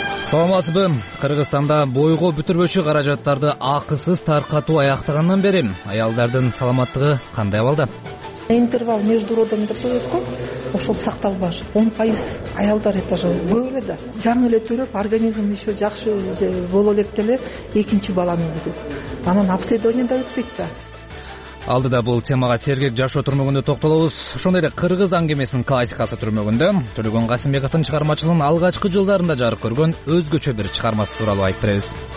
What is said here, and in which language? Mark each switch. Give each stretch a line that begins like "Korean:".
Kyrgyz: Саламатсызбы? Кыргызстанда бойго бүтүрбөчү каражаттарды акысыз таркатуу аяктагандан бери аялдардын саламаттыгы кандай абалда?
Russian: Интервал между родами такой вот,
Kyrgyz: ошол сакталбаш. 10% аялдар
Russian: это же
Kyrgyz: көбүрө да. Жаң эле төрөп, организм еще жакшы боло электеле экинчи баланы күтөт. Анан обследование да өтпөйт да. Алдыда бул темага сергек жашоо түрмөгүндө токтолобуз. Ошондой эле кыргыз аңгемесинин классикасы түрмөгүндө Төлөгөн Касымбековдун чыгармачылыгынын алгачкы жылдарында жарык көргөн өзгөчө бир чыгармасы тууралуу айттырабыз.